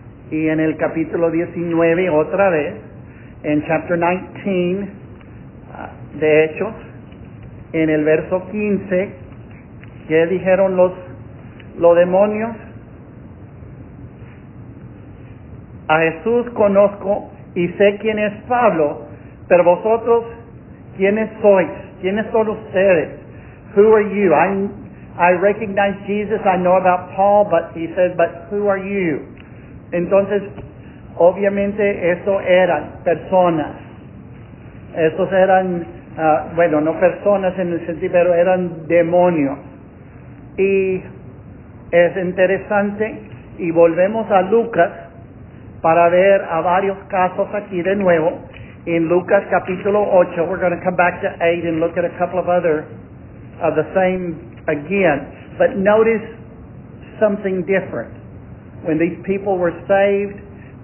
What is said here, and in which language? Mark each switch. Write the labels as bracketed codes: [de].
[es] Y en el capítulo 19, otra vez, en [en] chapter 19, [es] de Hechos, en el verso 15, ¿qué dijeron los demonios? A Jesús conozco y sé quién es Pablo, pero vosotros, ¿quiénes sois? ¿Quiénes son ustedes? [en] Who are you? I recognize Jesus, I know about Paul, but he says, but who are you? [es] Entonces, obviamente, eso eran personas. Estos eran, bueno, no personas en el sentido, pero eran demonios. Y es interesante, y volvemos a Lucas para ver a varios casos aquí de nuevo. [en] In Lucas capítulo 8, we're going to come back to 8 and look at a couple of other of the same again. But notice something different. When these people were saved,